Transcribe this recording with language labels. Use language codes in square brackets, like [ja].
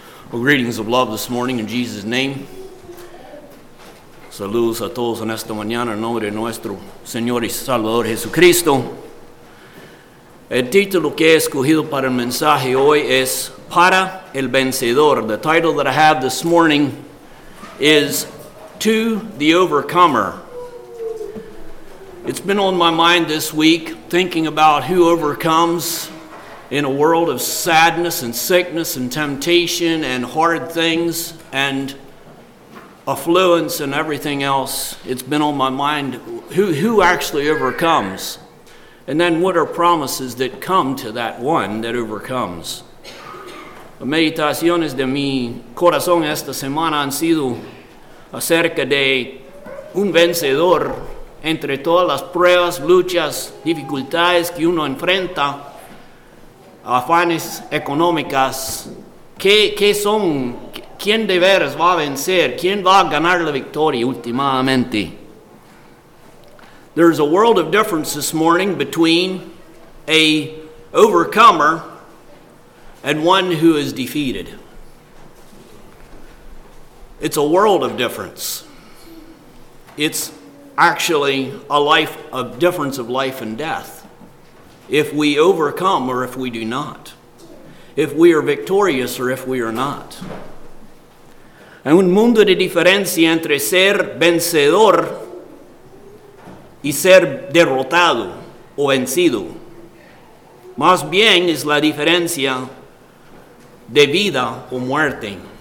[en] Well, greetings of love this morning in Jesus' name. [es] Saludos a todos en esta mañana en nombre de nuestro Señor y Salvador Jesucristo. El título que he escogido para el mensaje hoy es Para el Vencedor. [en] The title that I have this morning is To the Overcomer. It's been on my mind this week, thinking about who overcomes in a world of sadness and sickness and temptation and hard things and affluence and everything else. It's been on my mind, who actually overcomes? And then what are promises that come to that one that overcomes? [es] Las meditaciones de mi corazón esta semana han sido acerca de un vencedor. Entre todas las pruebas, luchas, dificultades que uno enfrenta, afanes económicas, ¿quién de veras va a vencer? ¿Quién va a ganar la victoria últimamente? [en] There's a world of difference this morning between a overcomer and one who is defeated. It's a world of difference. It's actually a life of difference of life and death. If we overcome or if we do not. If we are victorious or if we are not. [es] Hay un mundo de diferencia entre ser vencedor y ser derrotado o vencido. Más bien es la diferencia de vida o muerte.